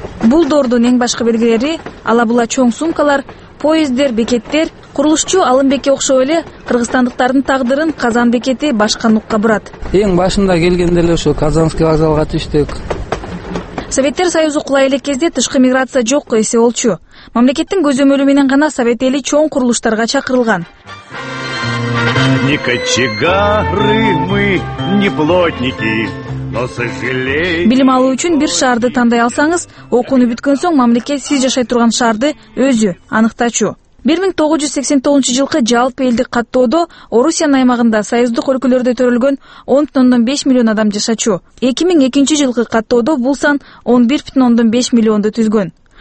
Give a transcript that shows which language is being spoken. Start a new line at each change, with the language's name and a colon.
Kyrgyz: Бул доордун эң башкы белгилери алабула чоң сумкалар, поезддер, бекеттер, курулушчу Алымбекке окшоп эле кыргызстандыктардын тагдырын Казан бекети башка нукка бурат. Эң башында келгенде эле ошо Казанский вокзалга түштүк. Советтер Союзу кулай эле кезде тышкы миграция жокко эсе болчу. Мамлекеттин көзөмөлү менен гана совет эли чоң курулуштарга чакырылган.
Russian: Не кочегары мы, не плотники, но сожалеем.
Kyrgyz: Билим алуу үчүн бир шаарды тандай алсаңыз, окууну бүткөн соң мамлекет сиз жашай турган шаарды өзү аныктачу. 1989 жылкы жалпы элдик каттоодо Орусиянын аймагында союздук өлкөлөрдө төрөлгөн 10.5 миллион адам жашачу. 2002 жылкы каттоодо бул сан 11.5 миллионду түзгөн.